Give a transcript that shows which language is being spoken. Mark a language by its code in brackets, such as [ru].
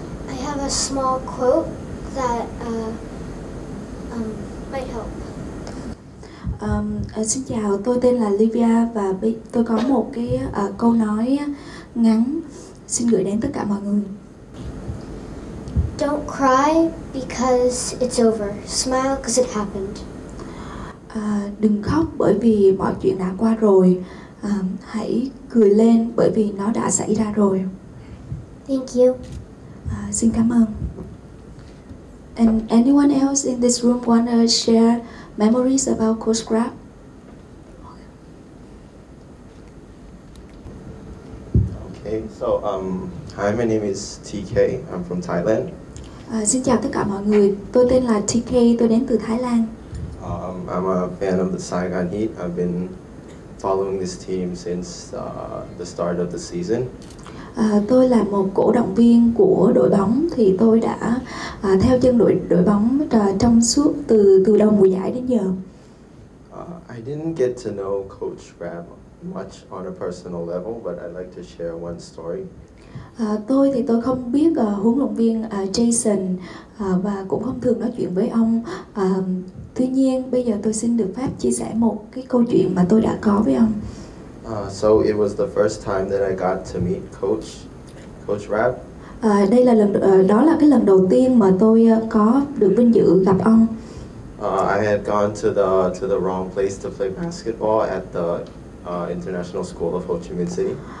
[en] I have a small quote that might help. [vi] Xin chào, tôi tên là Livia và tôi có một cái câu nói ngắn xin gửi đến tất cả mọi người. [en] Don't cry because it's over. Smile because it happened. [vi] Đừng khóc bởi vì mọi chuyện đã qua rồi. Hãy cười lên bởi vì nó đã xảy ra rồi. [en] Thank you. [vi] Xin cảm ơn. [en] And anyone else in this room want to share memories about Coach Grab? Okay, so hi, my name is TK. I'm from Thailand. [vi] Xin chào tất cả mọi người. Tôi tên là TK. Tôi đến từ Thái Lan. [en] I'm a fan of the Saigon Heat. I've been following this team since the start of the season. [vi] Tôi là một cổ động viên của đội bóng, thì tôi đã theo chân đội bóng trong suốt từ đầu mùa giải đến giờ. [en] I didn't get to know Coach Rab much on a personal level, but I'd like to share one story. [vi] Tôi thì tôi không biết huấn luyện viên Jason và cũng không thường nói chuyện với ông. Tuy nhiên, bây giờ tôi xin được phép chia sẻ một cái câu chuyện mà tôi đã có với ông. [en] So it was the first time that I got to meet Coach Rab. [vi] Đây là lần đó là cái lần đầu tiên mà tôi có được vinh dự gặp ông. [en] I had gone to the wrong place to play basketball at the International School of Ho Chi Minh City.